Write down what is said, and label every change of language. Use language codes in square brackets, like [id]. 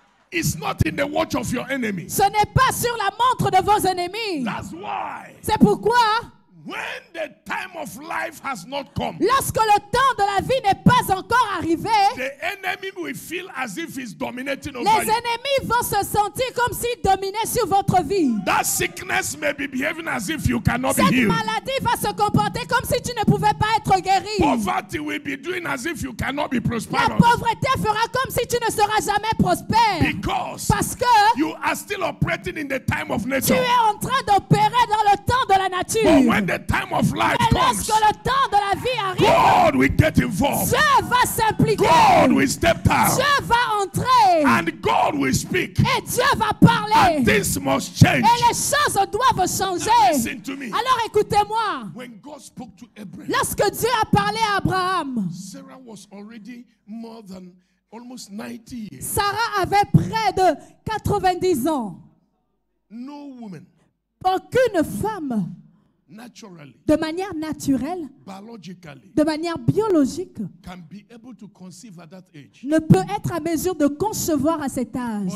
[en] It's not in the watch of your enemy. [fr] Ce n'est pas sur la montre de vos ennemis. [en] That's why. [fr] C'est pourquoi [en] when the time of life has not come, [fr] lorsque le temps de la vie n'est pas encore arrivé, [en] the enemy will feel as if he's dominating over [fr] les ennemis vont se sentir comme s'ils dominaient sur votre vie. [en] That sickness may be behaving as if you cannot [fr] cette [en] be healed. [fr] Maladie va se comporter comme si tu ne pouvais pas être guéri. [en] Poverty will be doing as if you cannot be prosperous. [fr] La pauvreté fera comme si tu ne seras jamais prospère. [en] Because [fr] parce que [en] you are still operating in the time of nature. [fr] Tu es en train d'opérer dans le temps de la nature. [en] But when the time of life [fr] mais [en] comes. [fr] Lorsque le temps de la vie arrive, [en] God will get involved. [fr] Dieu va s'impliquer. [en] God will step down. [fr] Dieu va entrer. [en] And God will speak. [fr] Et Dieu va parler. [en] And things must change. [fr] Et les choses doivent changer. [en] Listen to me. [fr] Alors écoutez-moi. [en] When God spoke to Abraham, [fr] lorsque Dieu a parlé à Abraham, [en] Sarah was already more than almost 90 years. [fr] Sarah avait près de 90 ans. [en] No woman. [fr] Aucune femme. [en] Naturally, [fr] de manière naturelle, [en] biologically, [fr] de manière biologique, [en] can be able to conceive at that age. [fr] Ne peut être à mesure de concevoir à cet âge.